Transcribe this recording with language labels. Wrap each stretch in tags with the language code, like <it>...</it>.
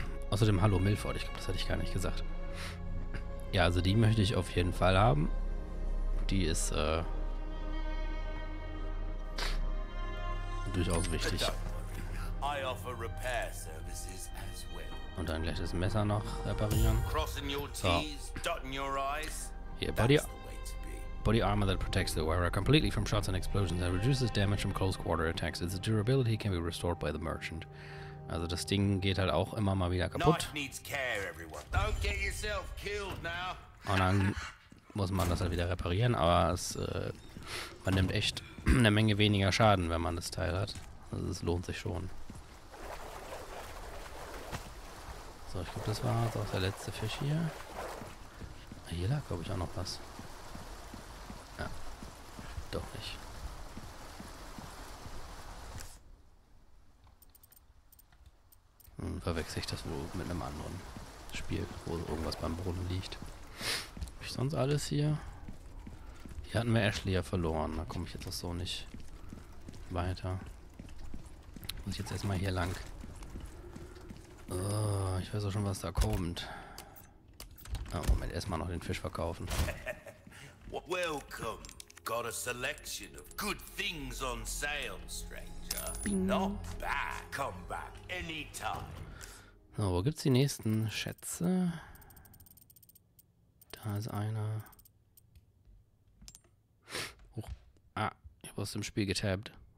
<de>Außerdem hallo Milford, ich glaube, das hatte ich gar nicht gesagt. Ja, also die möchte ich auf jeden Fall haben. Die ist durchaus wichtig.</de> <en>I offer repair services as well.</en> <de>Und dann gleich das Messer noch reparieren.</de> <en>Crossing your T's, dotting your I's.</en> <de>Hier, Body Armor.</de> <en>Body armor that protects the wearer completely from shots and explosions and reduces damage from close quarter attacks. Its durability can be restored by the merchant.</en> <de>Also das Ding geht halt auch immer mal wieder kaputt.</de> <en>Knife needs care, everyone. Don't get yourself killed now.</en> <de>Und dann muss man das halt wieder reparieren, aber es Man nimmt echt eine Menge weniger Schaden, wenn man das Teil hat. Also es lohnt sich schon. So, ich glaube, das war jetzt auch der letzte Fisch hier. Hier lag, glaube ich, auch noch was. Ja, doch nicht. Verwechsel ich das wohl mit einem anderen Spiel, wo irgendwas beim Boden liegt. Hab ich sonst alles hier? Hier hatten wir Ashley ja verloren. Da komme ich jetzt auch so nicht weiter. Muss ich jetzt erstmal hier lang. Oh, ich weiß auch schon, was da kommt. Ah, Moment, erstmal noch den Fisch verkaufen.</de> <en>Welcome. Got a selection of good things on sale, stranger. Not bad. Come back anytime.</en> <de>So, wo gibt's die nächsten Schätze? Da ist einer. Oh, ah, ich hab aus dem Spiel getabbt.</de>